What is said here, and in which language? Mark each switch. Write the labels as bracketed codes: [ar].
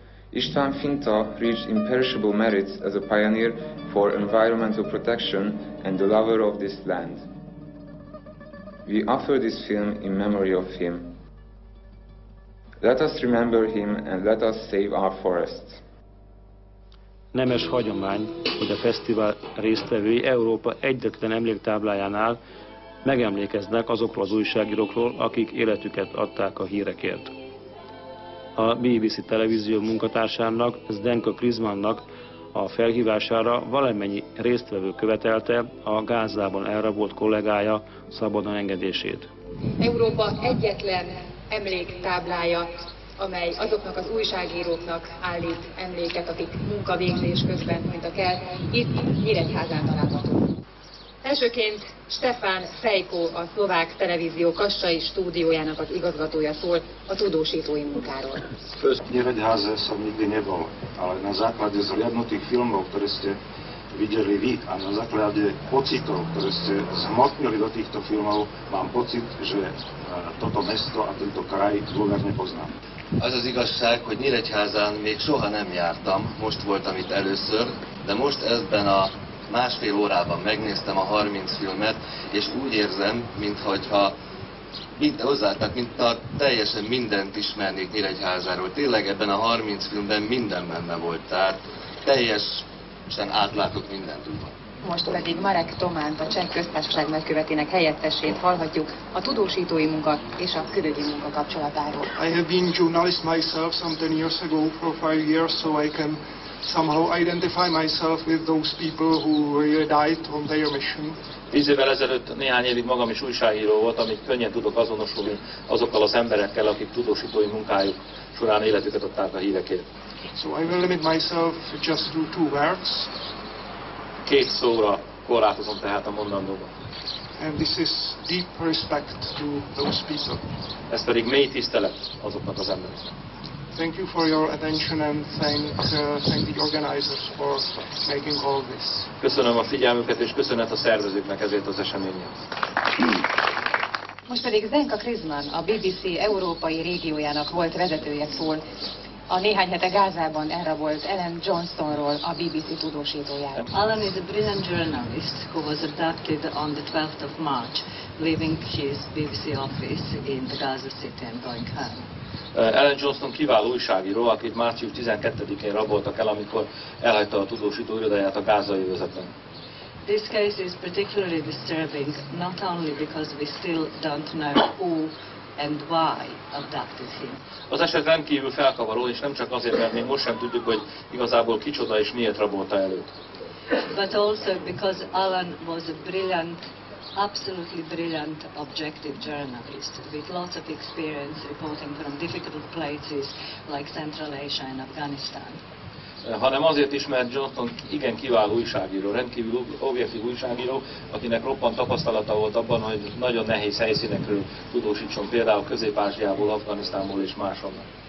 [en] István Finta reached imperishable merits as a pioneer for environmental protection and the lover of this land. We offer this film in memory of him. Let us remember him and let us save our forests. [hu] Nemes hagyomány, hogy a fesztivál résztvevői Európa egyetlen emléktáblájánál megemlékeznek azokról az újságírókról, akik életüket adták a hírekért. A BBC televízió munkatársának, Zdenka Krizmannak a felhívására valamennyi résztvevő követelte a Gázában elrabolt kollégája szabadon engedését. Európa egyetlen emléktáblája, amely azoknak az újságíróknak állít emléket, akik munkavégzés közben mentek el, itt Nyíregyházán található. Elsőként Stefan Fejko, a szlovák televízió Kassai stúdiójának az igazgatója szól a tudósítói munkáról. [sk] Nyíregyháza sem nikdy nebol, ale na základe zhliadnutých filmov, ktoré ste videli vy a na základe pocitov, ktoré ste zhmotnili do týchto filmov, mám pocit, že toto mesto a tento kraj dôverne poznám. [hu] Az az igazság, hogy Nyíregyházán még soha nem jártam, most voltam itt először, de most ebben a másfél órában megnéztem a 30 filmet, és úgy érzem, mintha teljesen mindent ismernék Nyíregyházáról. Tényleg ebben a 30 filmben minden benne volt, tehát teljesen átlátok mindent úgy. Most pedig Marek Tománt, a cseh köztársaság nagykövetének helyettesét hallhatjuk a tudósítói munka és a külügyi munka kapcsolatáról. [en] I have been journalist myself some 10 years ago for 5 years, so I can somehow identify myself with those people who really died on their mission. [hu] 10 évvel ezelőtt néhány évig magam is újságíró volt, amit könnyen tudok azonosulni azokkal az emberekkel, akik tudósítói munkájuk során életüket adták a hírekért. [en] So I will limit myself just to 2 words. [hu] Két szóra korlátozom tehát a mondandóban. [en] And this is deep respect to those people. [hu] Ez pedig mély tisztelet azoknak az embereknek. [en] Thank you for your attention and thank the organizers for making all this. [hu] Köszönöm a figyelmüket és köszönet a szervezőknek ezért az eseményért. Most pedig Zdenka Krizman, a BBC európai régiójának volt vezetője szól. A néhány hete Gázában elrabolt Ellen Johnstonról, a BBC tudósítójáról. [en] Ellen is a brilliant journalist who was abducted on the 12th of March, leaving his BBC office in the Gaza City and going home. [hu] Ellen Johnston kiváló újságíró, akit március 12-én raboltak el, amikor elhagyta a tudósító irodáját a gázai övezetben. [en] This case is particularly disturbing, not only because we still don't know who and why abducted him. [hu] Az eset rendkívül felkavaró, és nem csak azért, mert még most sem tudjuk, hogy igazából kicsoda és miért rabolta el őt. [en] But also because Ellen was a brilliant, absolutely brilliant, objective journalist with lots of experience reporting from difficult places like Central Asia and Afghanistan. [hu] Hanem azért is, mert Johnston igen kiváló újságíró, rendkívül objektív újságíró, akinek roppant tapasztalata volt abban, hogy nagyon nehéz helyszínekről tudósítson, például Közép-Ázsiából, Afganisztánból és másonnan.